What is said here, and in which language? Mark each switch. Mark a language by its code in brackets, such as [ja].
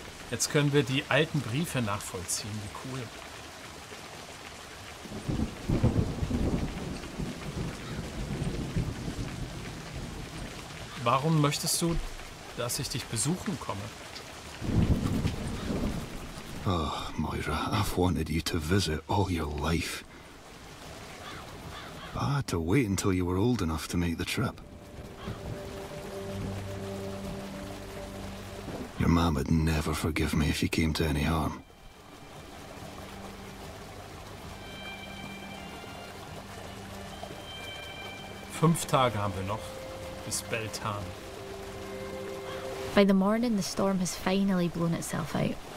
[de] Jetzt können wir die alten Briefe nachvollziehen. Wie cool. Warum möchtest du, dass ich dich besuchen komme? [en] Oh, Moira, I've wanted you to visit all your life. I had to wait until you were old enough to make the trip. Your mom would never forgive me if you came to any harm. [de] Fünf Tage haben wir noch bis Beltan. [en] By the morning, the storm has finally blown itself out.